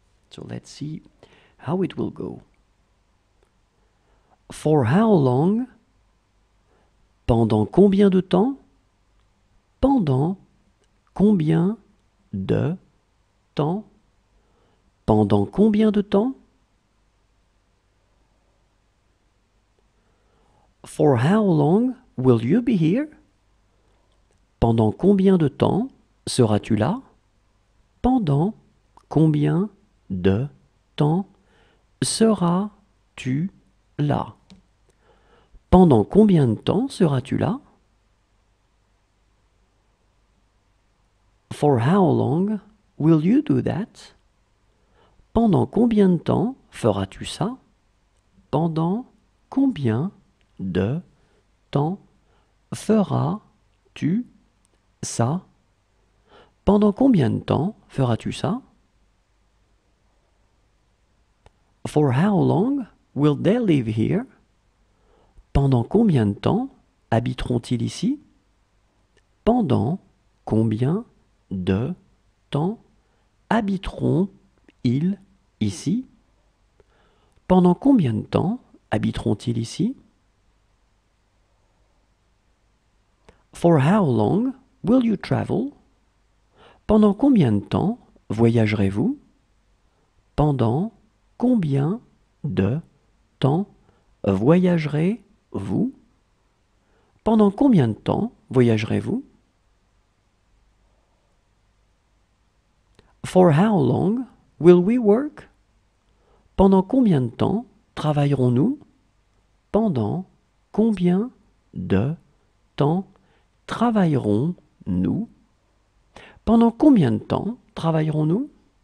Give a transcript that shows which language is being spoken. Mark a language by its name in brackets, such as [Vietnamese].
[English] So let's see how it will go. For how long? [French] Pendant combien de temps? Pendant combien de temps? Pendant combien de temps? [English] For how long will you be here? [French] Pendant combien de temps seras-tu là? Pendant combien de temps seras-tu là? Pendant combien de temps seras-tu là? [English] For how long will you do that? [French] Pendant combien de temps feras-tu ça? Pendant combien de temps feras-tu ça? Pendant combien de temps feras-tu ça? [English] For how long will they live here? [French] Pendant combien de temps habiteront-ils ici? Pendant combien de temps habiteront-ils ici? Pendant combien de temps habiteront-ils ici? [English] For how long will you travel? [French] Pendant combien de temps voyagerez-vous? Pendant combien de temps voyagerez-vous? Pendant combien de temps voyagerez-vous? [English] For how long will we work? [French] Pendant combien de temps travaillerons-nous? Pendant combien de temps travaillerons-nous? Pendant combien de temps travaillerons-nous?